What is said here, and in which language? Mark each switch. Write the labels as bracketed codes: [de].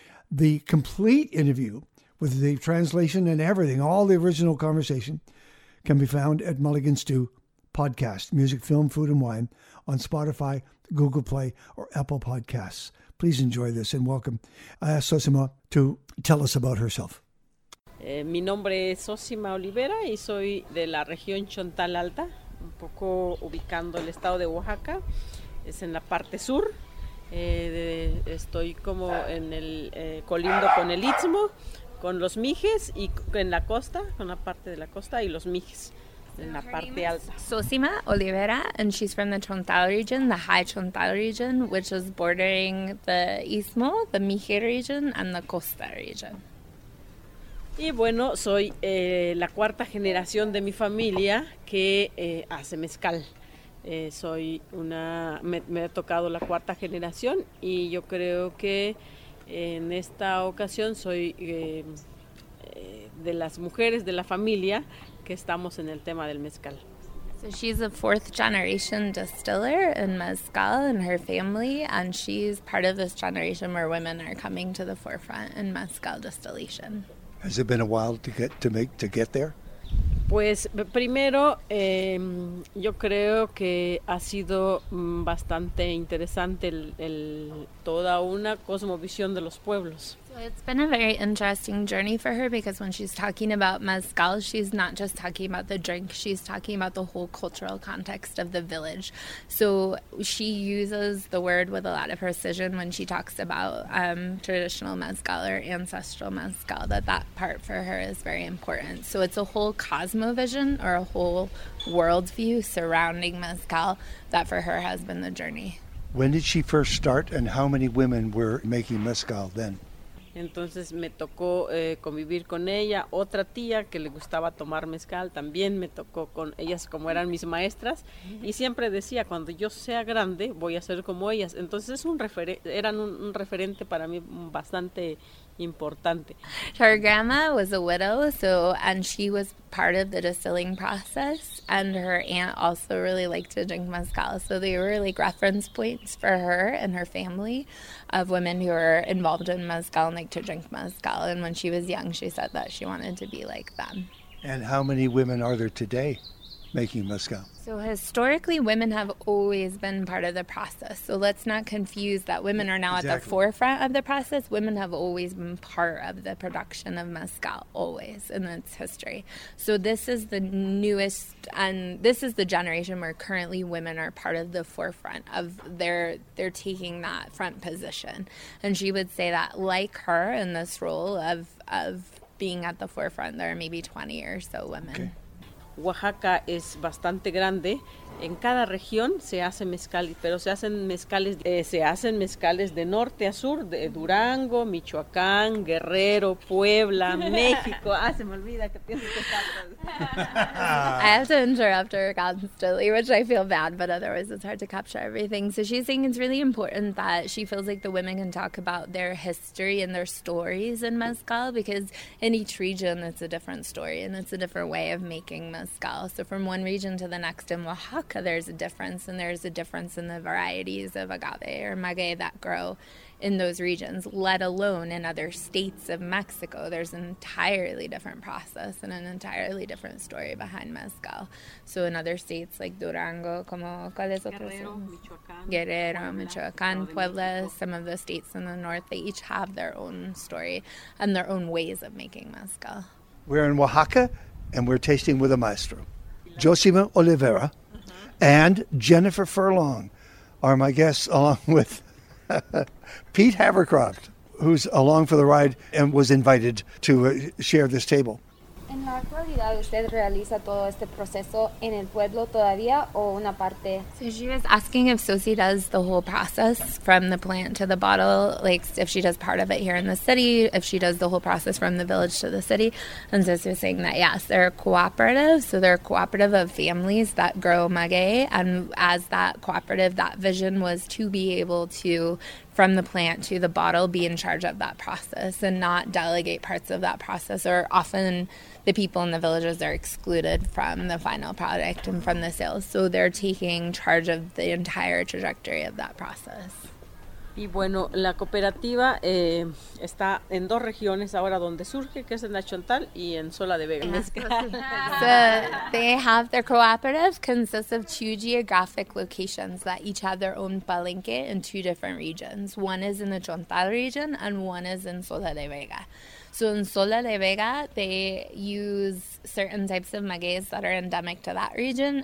[en] The complete interview with the translation and everything, all the original conversation, can be found at Mulligan Stew Podcast, Music, Film, Food, and Wine on Spotify, Google Play, or Apple Podcasts. Please enjoy this and welcome. I ask Sosima to tell us about herself. [es] Mi nombre es Sosima Olivera y soy de la región Chontal Alta, un poco ubicando el estado de Oaxaca. Es en la parte sur. Estoy como en el colindo con el Istmo, con los Mijes y en la costa, con la parte de la costa y los Mijes. [en] Sosima Olivera, and she's from the Chontal region, the High Chontal region, which is bordering the Istmo, the Mije region, and the Costa region. [es] Y bueno, soy la cuarta generación de mi familia que hace mezcal. Soy una, me ha tocado la cuarta generación, y yo creo que en esta ocasión soy de las mujeres de la familia que estamos en el tema del mezcal. [en] So she's a fourth generation distiller in mezcal in her family, and she's part of this generation where women are coming to the forefront in mezcal distillation. Has it been a while to get there? [es] Pues primero, yo creo que ha sido bastante interesante toda una cosmovisión de los pueblos. [en] So it's been a very interesting journey for her because when she's talking about mezcal, she's not just talking about the drink, she's talking about the whole cultural context of the village. So she uses the word with a lot of precision when she talks about traditional mezcal or ancestral mezcal, that part for her is very important. So it's a whole cosmovision or a whole worldview surrounding mezcal that for her has been the journey. When did she first start and how many women were making mezcal then? [es] Entonces me tocó convivir con ella, otra tía que le gustaba tomar mezcal, también me tocó con ellas como eran mis maestras, y siempre decía, cuando yo sea grande voy a ser como ellas. Entonces eran un referente para mí bastante importante. [en] Her grandma was a widow, and she was part of the distilling process, and her aunt also really liked to drink mezcal, so they were like reference points for her and her family of women who were involved in mezcal and like to drink mezcal. And when she was young, she said that she wanted to be like them. And how many women are there today making mezcal? So historically, women have always been part of the process. So let's not confuse that women are now at the forefront of the process. Women have always been part of the production of mezcal, always, in its history. So this is the newest, and this is the generation where currently women are part of the forefront of they're taking that front position. And she would say that, like her in this role of being at the forefront, there are maybe 20 or so women. Okay. [es] Oaxaca es bastante grande. En cada región se hacen mezcales, pero se hacen mezcales de norte a sur, de Durango, Michoacán, Guerrero, Puebla, México. Ah, se me olvida que tienes que estar. [en] I have to interrupt her constantly, which I feel bad, but otherwise it's hard to capture everything. So she's saying it's really important that she feels like the women can talk about their history and their stories in mezcal, because in each region it's a different story and it's a different way of making mezcal. So from one region to the next in Oaxaca, there's a difference, and there's a difference in the varieties of agave or maguey that grow in those regions, let alone in other states of Mexico. There's an entirely different process and an entirely different story behind mezcal. So in other states like Durango, Guerrero, Michoacán, Puebla, some of the states in the north, they each have their own story and their own ways of making mezcal. We're in Oaxaca, and we're tasting with a maestro, Josima Oliveira. And Jennifer Furlong are my guests, along with Pete Havercroft, who's along for the ride and was invited to share this table. [es] ¿En la actualidad usted realiza todo este proceso en el pueblo todavía o una parte? [en] So she was asking if Sosie does the whole process from the plant to the bottle, like if she does part of it here in the city, if she does the whole process from the village to the city. And Sosie was saying that yes, they're cooperative. So they're a cooperative of families that grow maguey. And as that cooperative, that vision was to be able to, from the plant to the bottle, be in charge of that process and not delegate parts of that process, or often the people in the villages are excluded from the final product and from the sales. So they're taking charge of the entire trajectory of that process. [es] Y bueno, la cooperativa está en dos regiones ahora donde surge, que es en La Chontal y en Sola de Vega. [en] So they have their cooperative consists of two geographic locations that each have their own palenque in two different regions. One is in the Chontal region and one is in Sola de Vega. So in Sola de Vega, they use certain types of magueys that are endemic to that region.